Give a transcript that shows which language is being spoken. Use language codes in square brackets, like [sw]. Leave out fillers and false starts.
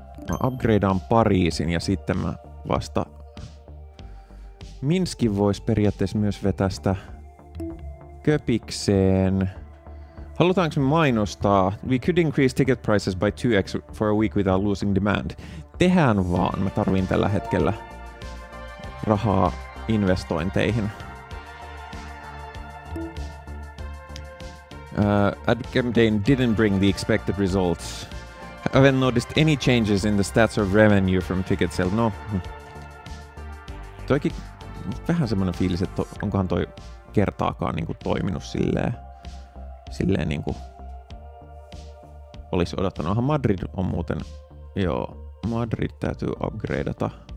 [fi] Mä upgradean Pariisin ja sitten mä vasta Minskin voisi periaatteessa myös vetää sitä köpikseen. Halutaanko me mainostaa? [en] We could increase ticket prices by 2x for a week without losing demand. [fi] Tehään vaan. Mä tarviin tällä hetkellä rahaa investointeihin. [en] Adkemdane didn't bring the expected results. Haven't noticed any changes in the stats of revenue from ticket sale. [fi] No. Toikin vähän semmoinen fiilis, että onkohan toi kertaakaan niinku toiminut silleen niinku olisi odottanut. Onhan Madrid on muuten, joo, Madrid täytyy upgradeata.